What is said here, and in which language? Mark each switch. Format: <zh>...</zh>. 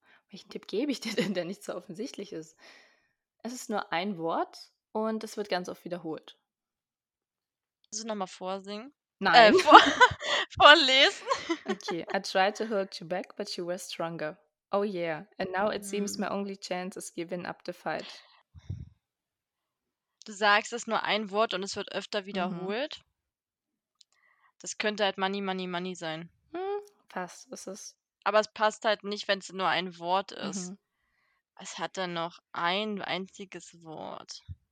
<de>Welchen Tipp gebe ich dir denn, der nicht so offensichtlich ist? Es ist nur ein Wort und es wird ganz oft wiederholt. Willst du nochmal vorsingen? Nein. Vorlesen?</de> <en>Okay. I tried to hold you back, but you were stronger. Oh yeah. And now it seems my only chance is giving up the fight.</en> <de>Du sagst, es ist nur ein Wort und es wird öfter wiederholt. Das könnte halt Money, Money, Money sein. Fast. Es ist. Aber es passt halt nicht, wenn es nur ein Wort ist. Es hat dann noch ein einziges Wort.</de>